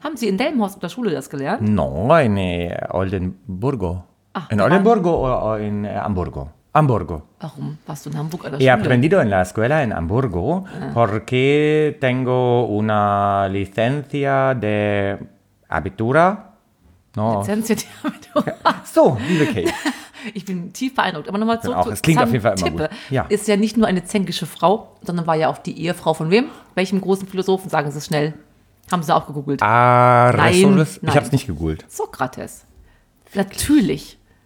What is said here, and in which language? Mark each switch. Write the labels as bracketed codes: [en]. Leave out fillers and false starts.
[de] Haben Sie in Delmenhorst in der Schule das gelernt? Nein, in Oldenburgo. Ach, in Oldenburgo oder in Hamburgo? Hamburgo. Warum warst du in Hamburg oder Schule? [es] He aprendido en la escuela en Hamburgo porque tengo una licencia de abitura. No. Licencia de abitura. [de] So, liebe Kate. Ich bin tief beeindruckt. Aber nochmal zurück. Es klingt auf jeden Fall immer gut. Ja. Ist ja nicht nur eine zänkische Frau, sondern war ja auch die Ehefrau von wem? Welchem großen Philosophen, sagen Sie es schnell? Haben Sie auch gegoogelt? Aristoteles? Ich habe es nicht gegoogelt. Sokrates. Natürlich.